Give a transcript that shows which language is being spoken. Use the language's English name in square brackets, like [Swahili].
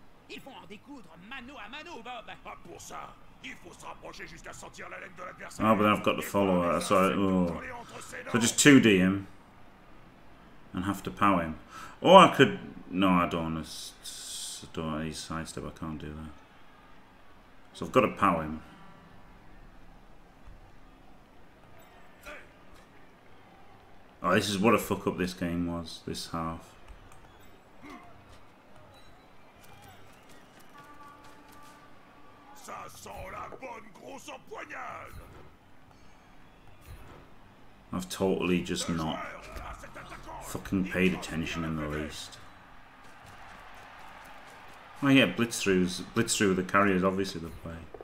[French] Ils vont en découdre mano à mano, Bob. Ah, pour ça. Il faut s'approcher jusqu'à sentir la laine de l'adversaire. [English] Oh, but then I've got the follower. So just 2D him. And have to pow him. Or I could... No, I don't want to... He's sidestep. I can't do that. So I've got to pow him. Oh, this is what a fuck-up this game was. This half. [French] Ça sent la bonne grosse empoignade. [English] I've totally just not fucking paid attention in the least. Oh yeah, blitz through with the carrier is obviously the play.